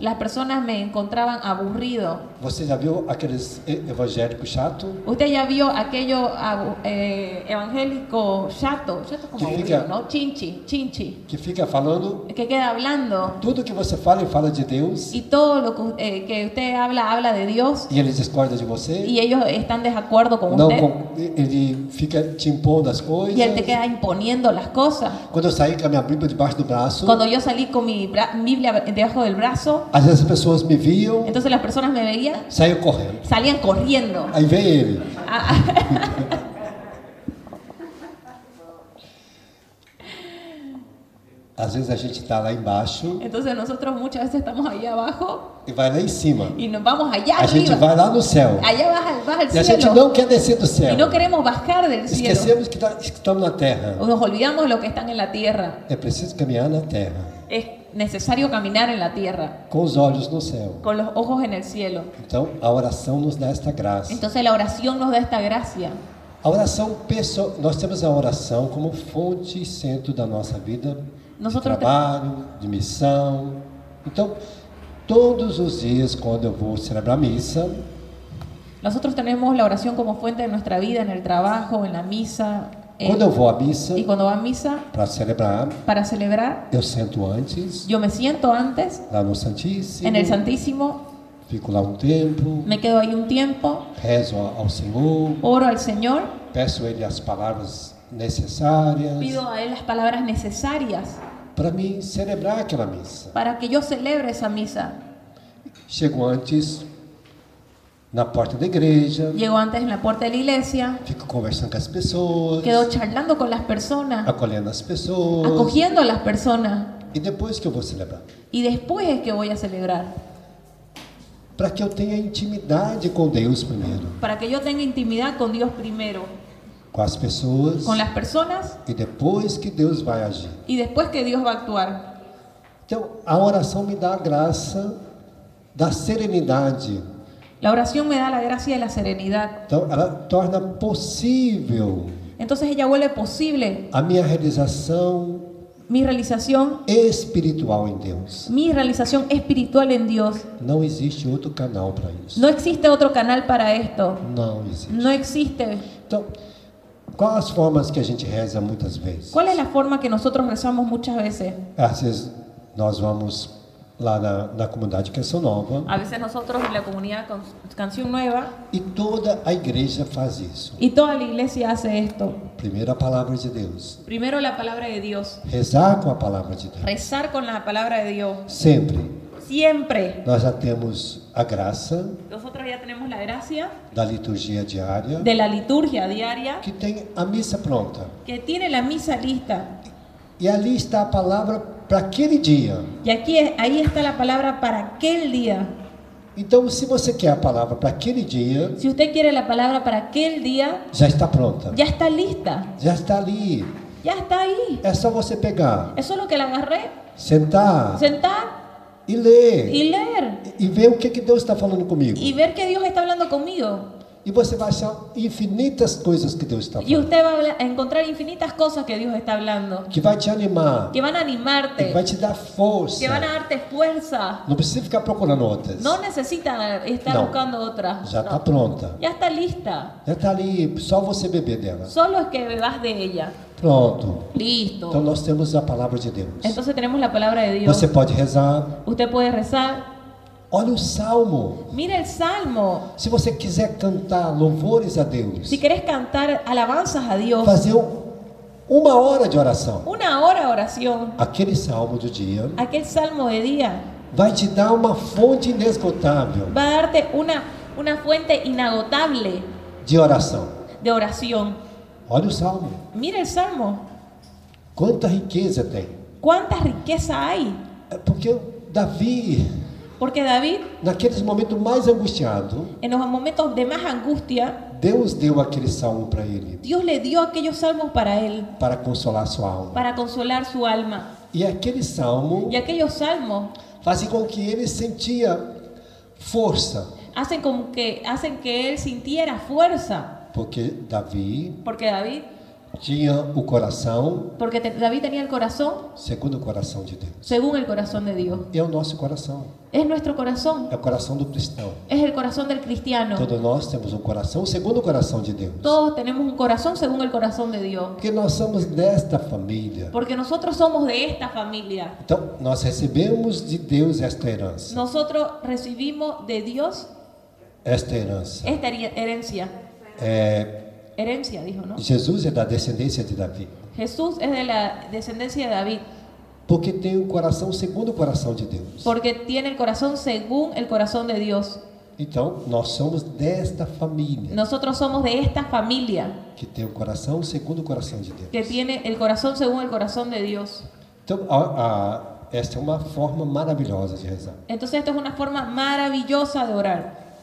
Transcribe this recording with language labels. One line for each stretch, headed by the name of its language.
Spanish: Las personas me encontraban aburrido.
Portuguese: Você já viu aqueles evangélicos chato?
Spanish: Usted ya vio aquello evangélico chato. Chato como que aburrido,
Portuguese: fica...
Spanish: ¿no? Chinchi.
Portuguese: Que fica falando?
Spanish: Que queda hablando.
Portuguese: Tudo que você fala, ele fala de Deus.
Spanish: Y todo lo que usted habla, habla de Dios.
Portuguese: E ele discorda de você?
Spanish: Y ellos están de acuerdo con
Portuguese: não,
Spanish: usted.
Portuguese: Ele fica te impondo as coisas.
Spanish: Y él te queda imponiendo las cosas.
Portuguese: Quando eu saí com a minha Bíblia debaixo do braço.
Spanish: Cuando yo salí con mi Biblia debajo del brazo.
Portuguese: Às vezes as pessoas me viam.
Spanish: Entonces las personas me veían.
Portuguese: Saiu correndo.
Spanish: Salían corriendo.
Portuguese: Aí vem ele. Às vezes a gente está lá embaixo. Então, nós muitas vezes estamos aí abaixo. E vai lá em cima. E nós vamos allá a gente
Spanish: arriba.
Portuguese: Vai lá no céu.
Spanish: Allá baja
Portuguese: e
Spanish: cielo.
Portuguese: A gente não quer descer do céu. E não
Spanish: queremos bajar del cielo.
Portuguese: Esquecemos que estamos na terra.
Spanish: Nos olvidamos lo que están en la tierra.
Portuguese: É preciso caminhar na terra.
Spanish: Es necesario caminar en la tierra.
Portuguese: Com os olhos no céu.
Spanish: Con los ojos en el cielo.
Portuguese: Então, a oração nos dá esta graça.
Spanish: Entonces la oración nos da esta gracia.
Portuguese: A oração pessoal, nós temos a oração como fonte e centro da nossa vida. De trabalho, de missão. Então, todos os dias quando eu vou celebrar a missa, nós temos a oração como fonte de nossa vida, no trabalho, na missa. Quando eu vou à missa? E quando vou à missa? Para celebrar.
Spanish: Para celebrar.
Portuguese: Eu sento antes. Eu me sinto antes. Lá no Santíssimo.
Spanish: En el Santísimo.
Portuguese: Fico lá um tempo.
Spanish: Me quedo
Portuguese: aí um tempo. Rezo ao Senhor. Oro ao Senhor. Peço a Ele as palavras necessárias.
Spanish: Pido a él las palabras necesarias para mí celebrar aquella misa. Para que yo celebre esa misa.
Portuguese: Chego antes na porta da igreja.
Spanish: Llegó antes en la puerta de la iglesia.
Portuguese: Fico conversando com as pessoas.
Spanish: Quedó charlando con las personas.
Portuguese: Acolhendo as pessoas.
Spanish: Acogiendo a las personas.
Portuguese: E depois que eu vou celebrar?
Spanish: Y después es que voy a celebrar.
Portuguese: Para que eu tenha intimidade com Deus primeiro.
Spanish: Para que yo tenga intimidad con Dios primero.
Portuguese: Com as pessoas.
Spanish: Con las personas.
Portuguese: E depois que Deus vai agir.
Spanish: Y después que Dios va a actuar.
Portuguese: Então, a oração me dá a graça da serenidade.
Spanish: La oración me da la gracia de la serenidad.
Portuguese: Então, ela torna possível.
Spanish: Entonces ella vuelve posible.
Portuguese: A minha realização.
Spanish: Mi realización espiritual en Dios. Mi realización espiritual en Dios. No existe otro canal para eso. No existe otro canal para esto. No existe. No existe. Entonces, ¿cuáles formas que
Portuguese: a gente reza
Spanish: muchas veces? ¿Cuál es la forma que nosotros rezamos muchas veces? A veces nos vamos
Portuguese: lá na comunidade
Spanish: Canção Nova. A veces nosotros en la comunidad Canción Nueva.
Portuguese: Y toda a igreja faz isso.
Spanish: Y toda la iglesia hace esto. Primero la palabra de Dios. Primero la palabra de Dios. Rezar con la palabra de Dios. Rezar con la palabra de Dios. Siempre. Siempre.
Portuguese: Nós já temos a graça.
Spanish: Nosotros ya tenemos la gracia.
Portuguese: Da liturgia diaria.
Spanish: De la liturgia diaria.
Portuguese: Que tem a missa pronta.
Spanish: Que tiene la misa lista.
Portuguese: E ali está a palavra para aquele dia.
Spanish: Y aquí ahí está la palabra para aquel día.
Portuguese: Então, se você quer a palavra para aquele dia,
Spanish: si usted quiere la palabra para aquel día,
Portuguese: já está pronta.
Spanish: Ya está lista.
Portuguese: Já está ali.
Spanish: Ya está ahí.
Portuguese: É só você pegar.
Spanish: Es solo que la agarré.
Portuguese: Sentar.
Spanish: Sentar.
Portuguese: E ler.
Spanish: Y leer.
Portuguese: E ver o que que Deus está falando comigo.
Spanish: Y ver que Dios está hablando conmigo.
Portuguese: E você vai achar infinitas coisas que Deus está falando.
Spanish: Y usted va a encontrar infinitas cosas que Dios está hablando.
Portuguese: Que vai te animar.
Spanish: Que van a animarte.
Portuguese: Que vai te dar força.
Spanish: Que van a darte fuerza.
Portuguese: Não precisa ficar procurando outras.
Spanish: No necesita estar buscando otras.
Portuguese: Já está pronta.
Spanish: Ya está lista.
Portuguese: Já está ali, só você beber dela.
Spanish: Solo es que bebas de ella.
Portuguese: Pronto.
Spanish: Listo.
Portuguese: Então nós temos a palavra de Deus.
Spanish: Entonces tenemos la palabra de Dios.
Portuguese: Você pode rezar.
Spanish: Usted puede rezar.
Portuguese: Olha o salmo.
Spanish: Mira el salmo.
Portuguese: Se você quiser cantar louvores a Deus.
Spanish: Si quieres cantar alabanzas a Dios.
Portuguese: Fazer uma hora de oração.
Spanish: Una hora de oración.
Portuguese: Aquele salmo do dia.
Spanish: Aquel salmo de día.
Portuguese: Vai te dar uma fonte inesgotável.
Spanish: Va a darte una fuente inagotable.
Portuguese: De oração.
Spanish: De oración.
Portuguese: Olha o salmo.
Spanish: Mira el salmo.
Portuguese: Quanta riqueza tem.
Spanish: Cuánta riqueza hay.
Portuguese: Porque Davi.
Spanish: Porque David,
Portuguese: naqueles momentos mais angustiado,
Spanish: en los momentos de más angustia,
Portuguese: Deus deu aquele salmo para ele.
Spanish: Dios le dio aquellos salmos para él.
Portuguese: Para consolar sua alma.
Spanish: Para consolar su alma.
Portuguese: E aquele salmo.
Spanish: Y aquellos salmos.
Portuguese: Fazem com que ele sentia força.
Spanish: Hacen que él sintiera fuerza.
Portuguese: Porque Davi.
Spanish: Porque David.
Portuguese: Tinha o coração.
Spanish: Porque David tenía el corazón.
Portuguese: Segundo o coração de Deus.
Spanish: Según el corazón de Dios.
Portuguese: E é o nosso coração.
Spanish: Es nuestro corazón. El corazón del cristiano. Es el corazón del cristiano.
Portuguese: Todos nós temos um coração segundo o coração de Deus.
Spanish: Todos tenemos un corazón según el corazón de Dios.
Portuguese: Porque nós somos desta família.
Spanish: Porque nosotros somos de esta familia.
Portuguese: Então nós recebemos de Deus esta herança.
Spanish: Nosotros recibimos de Dios
Portuguese: esta herança.
Spanish: Esta herencia. Herencia, dijo, ¿no? Jesús es de la descendencia de David. Jesús es de la descendencia de David.
Portuguese: Porque tem o coração segundo o coração de Deus.
Spanish: Porque tiene el corazón según el corazón de Dios.
Portuguese: Então, nós somos desta família.
Spanish: Nosotros somos de esta familia.
Portuguese: Que tem o coração segundo o coração de Deus.
Spanish: Que tiene el corazón según el corazón de Dios.
Portuguese: Então, esta é uma forma maravilhosa de rezar.
Spanish: Entonces, esta es una forma maravillosa de orar.